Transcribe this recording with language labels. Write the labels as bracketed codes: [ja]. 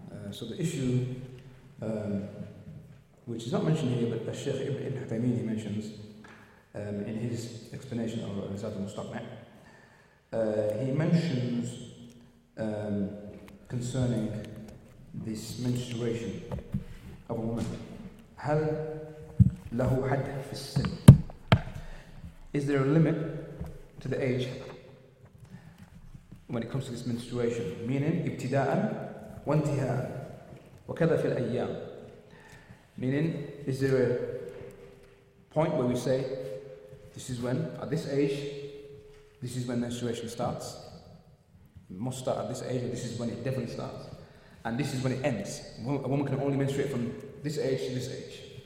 [en] So the issue, which is not mentioned here, but Sheikh Ibn Uthaymeen he mentions in his explanation of Zad al-Mustaqna', he mentions concerning this menstruation of a woman. [ar] هل له حد في السن? [en] Is there a limit to the age when it comes to this menstruation? [ar] Meaning, ابتداء وانتهاء وكذا في الأيام. [en] Meaning, is there a point where we say, this is when, at this age, this is when menstruation starts. It must start at this age, and this is when it definitely starts. And this is when it ends. A woman can only menstruate from this age to this age.